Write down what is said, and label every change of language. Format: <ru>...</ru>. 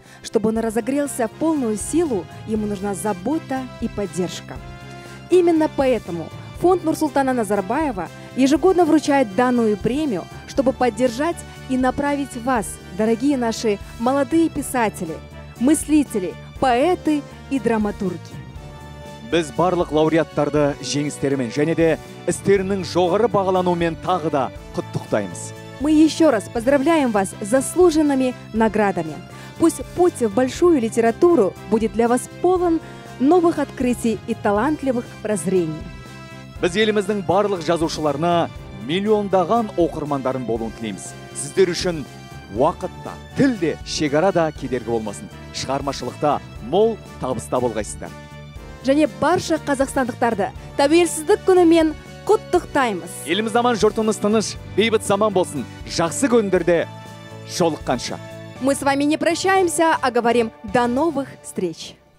<ru>Чтобы он разогрелся в полную силу, ему нужна забота и поддержка. Именно поэтому фонд Нурсултана Назарбаева ежегодно вручает данную премию, чтобы поддержать и направить вас, дорогие наши молодые писатели, мыслители, поэты и драматурги.</ru> <kk>Біз барлық лауреаттарды жеңістерімен және де істерінің жоғары бағалануымен тағы да құттықтаймыз.</kk> <ru>Мы еще раз поздравляем вас с заслуженными наградами. Пусть путь в большую литературу будет для вас полон новых открытий и талантливых прозрений.</ru> <kk>Біз еліміздің барлық жазушыларына миллиондаған оқырмандарын болуын тілейміз. Сіздер үшін уақытта, тілде, шегарада кедергі болмасын. Шығармашылықта мол табыста болғайсыздар. Және барша қазақстандықтарды тәуелсіздік күнімен құттықтаймыз. Еліміз аман, жұртымыз тыныш, бейбіт заман болсын. Жақсы күндерде жолыққанша.</kk> <ru>Мы с вами не прощаемся, а говорим до новых встреч.</ru>